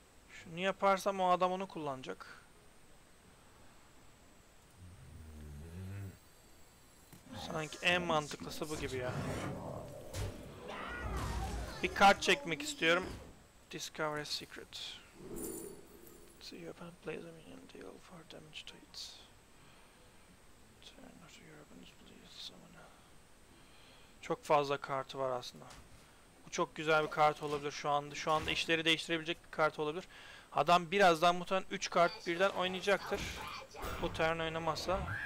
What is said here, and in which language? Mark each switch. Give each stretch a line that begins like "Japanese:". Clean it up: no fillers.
Turkish: Şunu yaparsam o adam onu kullanacak. Sanki en mantıklısı bu gibi ya. Bir kart çekmek istiyorum.
English: Discover a secret. So your opponent plays a minion, deal 4 damage to it. Turn after your opponent plays summon.
Turkish: Çok fazla kartı var aslında. Bu çok güzel bir kart olabilir şu anda. Şu anda işleri değiştirebilecek bir kart olabilir. Adam birazdan muhtemelen 3 kart birden oynayacaktır. Bu turn oynamazsa.